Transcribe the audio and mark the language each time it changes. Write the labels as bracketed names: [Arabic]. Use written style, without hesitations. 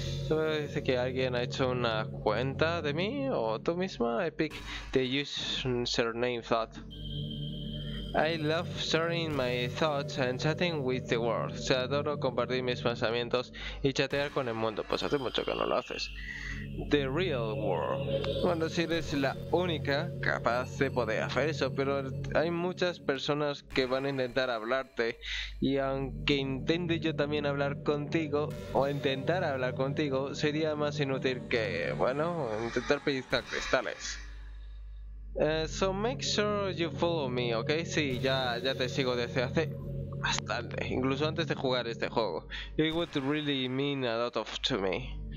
[Spanish] Solo dice que alguien ha hecho una cuenta de mí o tú misma. [English] I picked the username thought. I love sharing my thoughts and chatting with the world. [Spanish] O sea, adoro compartir mis pensamientos y chatear con el mundo. Pues hace mucho que no lo haces. [English] The real world. [Spanish] Bueno, si eres la única capaz de poder hacer eso, pero hay muchas personas que van a intentar hablarte. Y aunque intente yo también hablar contigo, o intentar hablar contigo, sería más inútil que, bueno, intentar pellizcar cristales. [English] So make sure you follow me, [Spanish] ¿ok? Sí, ya te sigo desde hace bastante, incluso antes de jugar este juego. [English] It would really mean a lot of to me.